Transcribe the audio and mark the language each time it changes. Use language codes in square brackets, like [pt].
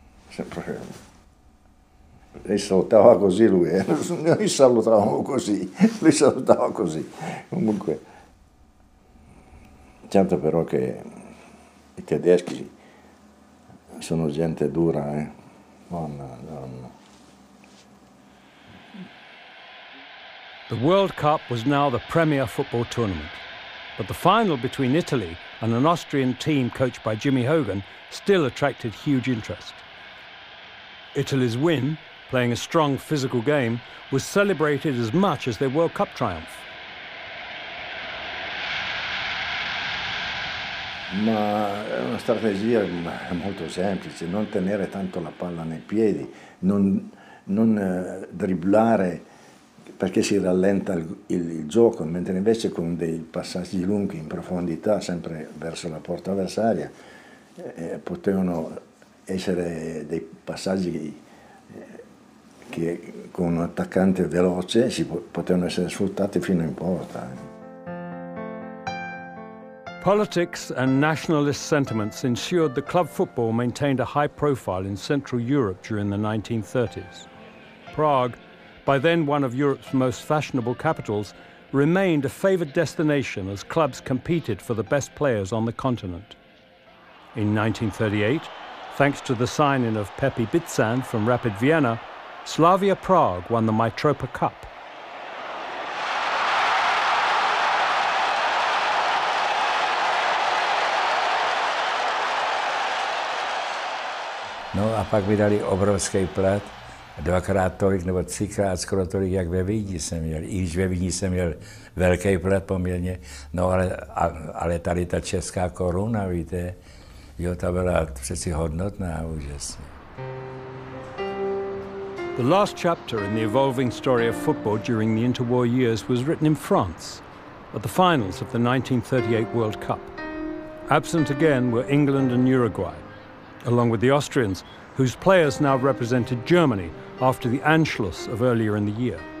[it] Sempre. Lei salutava così lui, noi salutavamo così, lui salutava così. Comunque, certo però che i tedeschi sono gente dura, eh. Buona. [en] The World Cup was now the premier football tournament, but the final between Italy and an Austrian team coached by Jimmy Hogan still attracted huge interest. Italy's win, playing a strong physical game, was celebrated as much as their World Cup triumph. [it] Ma è una strategia molto semplice, non tenere tanto la palla nei piedi, non dribblare perché si rallenta il gioco, mentre invece con dei passaggi lunghi in profondità, sempre verso la porta avversaria, potevano essere dei passaggi che con un attaccante veloce si potevano essere sfruttati fino in porta. [en] Politics and nationalist sentiments ensured the club football maintained a high profile in Central Europe during the 1930s. Prague, by then one of Europe's most fashionable capitals, remained a favoured destination as clubs competed for the best players on the continent. In 1938, thanks to the signing of Pepi Bitzan from Rapid Vienna, Slavia Prague won the Mitropa Cup. [cs] No a pak mi dali obrovský plat, dvakrát tolik nebo třikrát skoro tolik, jak ve Vídni jsem měl. I když ve Vídni jsem měl velký plat poměrně, no ale tady ta česká koruna, víte, jo, ta byla přeci hodnotná, úžasně. [en] The last chapter in the evolving story of football during the interwar years was written in France, at the finals of the 1938 World Cup. Absent again were England and Uruguay, along with the Austrians, whose players now represented Germany after the Anschluss of earlier in the year.